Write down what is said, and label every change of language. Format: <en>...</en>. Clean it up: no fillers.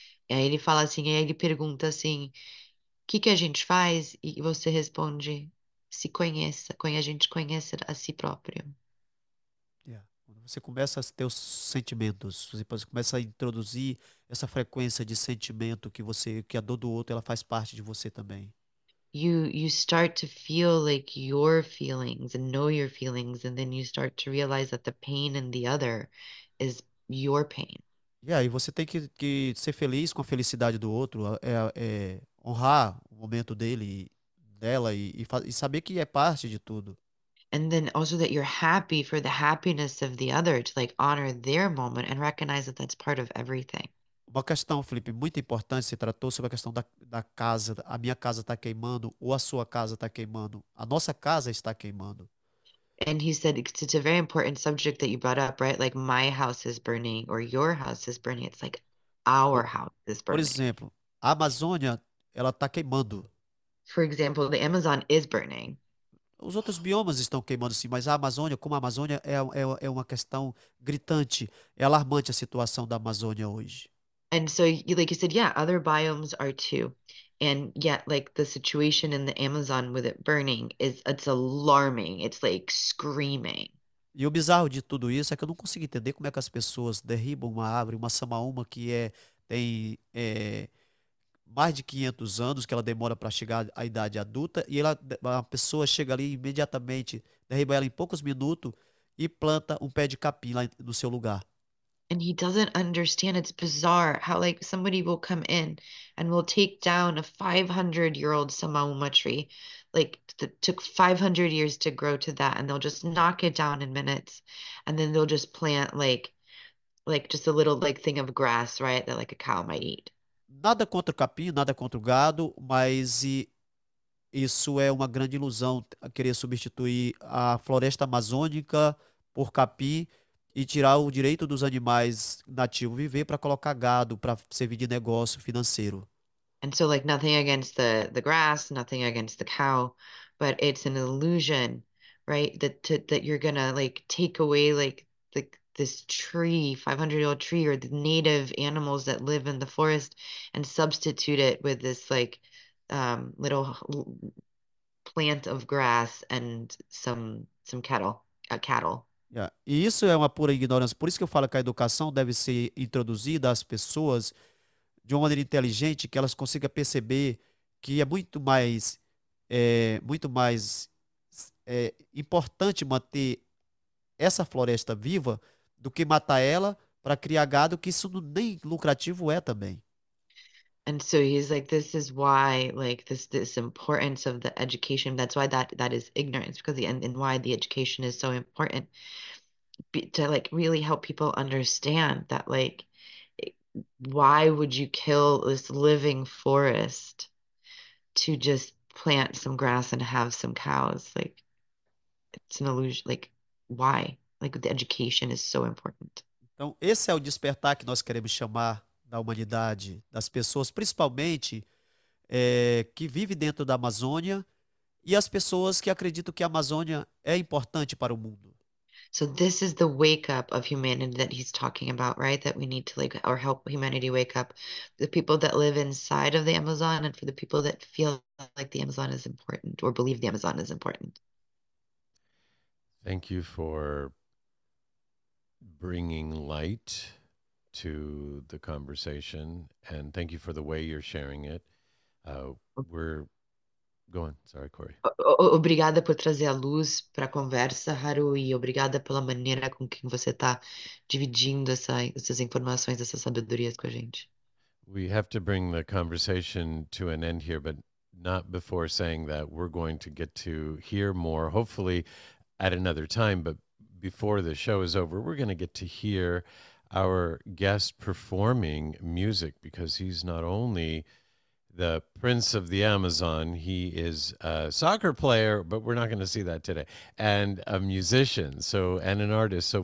<pt>E aí ele fala assim, aí ele pergunta assim, o que que a gente faz? E você responde. Se conheça, a gente conheça a si próprio. Você começa a ter os sentimentos, você começa a introduzir essa frequência de sentimento que você, que a dor do outro, ela faz parte de você também.</pt> <en>You start to feel like your feelings and know your feelings, and then you start to realize that the pain in the other is your pain.</en> <pt>E aí você tem que ser feliz com a felicidade do outro, honrar o momento dele, dela, e saber que é parte de tudo.</pt> <en>And then also that you're happy for the happiness of the other, to like honor their moment and recognize that that's part of everything.</en> <pt>Uma questão, Felipe, muito importante, você tratou sobre a questão da casa, a minha casa está queimando ou a sua casa está queimando, a nossa casa está queimando.</pt> <en>And he said it's a very important subject that you brought up, right? Like my house is burning or your house is burning. It's like our house is</en> <pt>Por</pt> <en>burning.</en> <pt>exemplo, a Amazônia, ela está queimando.</pt> <en>For example, the Amazon is burning.</en> <pt>Os outros biomas estão queimando, sim, mas a Amazônia, como a Amazônia é uma questão gritante, é alarmante a situação da Amazônia hoje.</pt> <en>And so, like you said, yeah, other biomes are too. And yet, like the situation in the Amazon with it burning is, it's alarming. It's like screaming.</en> <pt>E o bizarro de tudo isso é que eu não consigo entender como é que as pessoas derribam uma árvore, uma samaúma que tem mais de 500 anos, que ela demora para chegar à idade adulta, e a pessoa chega ali imediatamente, derriba ela em poucos minutos e planta um pé de capim lá no seu lugar.</pt> <en>And he doesn't understand. It's bizarre how like somebody will come in and will take down a 500-year-old Samaúma tree, like that took 500 years to grow to that, and they'll just knock it down in minutes, and then they'll just plant like just a little like thing of grass, right, that like a cow might eat.</en> <pt>Nada contra o capim, nada contra o gado, mas isso é uma grande ilusão, querer substituir a floresta amazônica por capim e tirar o direito dos animais nativos viver para colocar gado, para servir de negócio financeiro.</pt> <en>And so, like, nothing against the grass, nothing against the cow, but it's an illusion, right? That you're gonna like take away like this tree, 500-year-old tree, or the native animals that live in the forest, and substitute it with this like little plant of grass and some cattle, a cattle.</en> <pt>E isso é uma pura ignorância. Por isso que eu falo que a educação deve ser introduzida às pessoas de uma maneira inteligente, que elas consigam perceber que é muito mais importante manter essa floresta viva do que matar ela para criar gado, que isso nem lucrativo é também.</pt> <en>And so he's like, this is why, like, this importance of the education. That's why that is ignorance, because and why the education is so important to like really help people understand that, like, why would you kill this living forest to just plant some grass and have some cows? Like, it's an illusion. Like, why? Like, the education is so important.</en> <pt>Então, esse é o despertar que nós queremos chamar da humanidade, das pessoas, principalmente que vivem dentro da Amazônia e as pessoas que acreditam que a Amazônia é importante para o mundo.</pt> <en>So this is the wake up of humanity that he's talking about, right? That we need to like, or help humanity wake up. The people that live inside of the Amazon, and for the people that feel like the Amazon is important or believe the Amazon is important. Thank you for bringing light to the conversation, and thank you for the way you're sharing it. We're going. Sorry, Corey.</en> <pt>Obrigada por trazer a luz para a conversa, Haru, e obrigada pela maneira com que você está dividindo essas informações, essas sabedorias com a gente.</pt> <en>We have to bring the conversation to an end here, but not before saying that we're going to get to hear more, hopefully at another time, but before the show is over, we're going to get to hear our guest performing music because he's not only the prince of the Amazon, he is a soccer player, but we're not going to see that today, and a musician, so and an artist.</en>